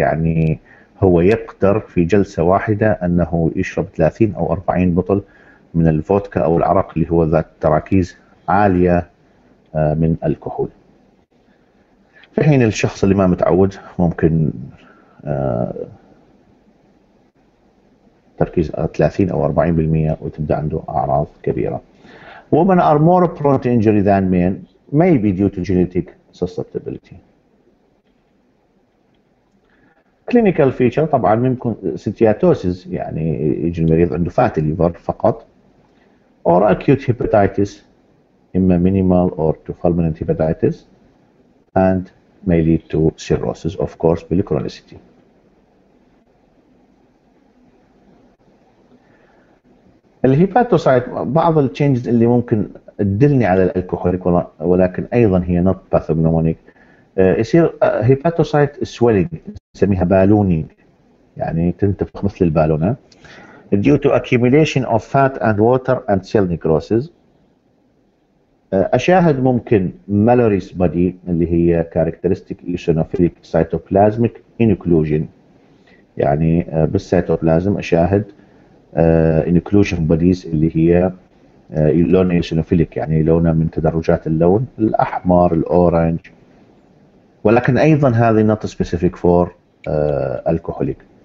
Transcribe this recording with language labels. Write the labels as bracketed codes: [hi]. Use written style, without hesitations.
[ar] يعني هو يقدر في جلسة واحدة أنه يشرب 30 أو 40 بطل من الفودكا أو العرق اللي هو ذات تراكيز عالية من الكحول. في حين الشخص اللي ما متعود ممكن تركيز 30 أو 40% وتبدأ عنده أعراض كبيرة. [en] Women are more prone to injury than men, maybe due to genetic susceptibility. clinical feature [ar] طبعا ممكن ستياتوسيس، يعني يجي المريض عنده فاتي ليفر فقط، [en] or acute hepatitis اما minimal or to fulminant hepatitis and may lead to cirrhosis of course with chronicity. [ar] الهيباتوسايت بعض التشينجز اللي ممكن تدلني على الالكوهوليك ولكن ايضا هي [en] not pathognomonic. [ar] يصير هيباتوسايت سويلينج نسميها بالونينج، يعني تنتفخ مثل البالونة، [en] due to accumulation of fat and water and cell necrosis. [ar] أشاهد ممكن Mallory's body اللي هي [en] characteristic eosinophilic cytoplasmic inclusion، [ar] يعني بالسيتوبلازم أشاهد inclusion bodies اللي هي لون eosinophilic، يعني لونها من تدرجات اللون الأحمر الأورانج، ولكن ايضا هذه [en] not specific for alcoholic.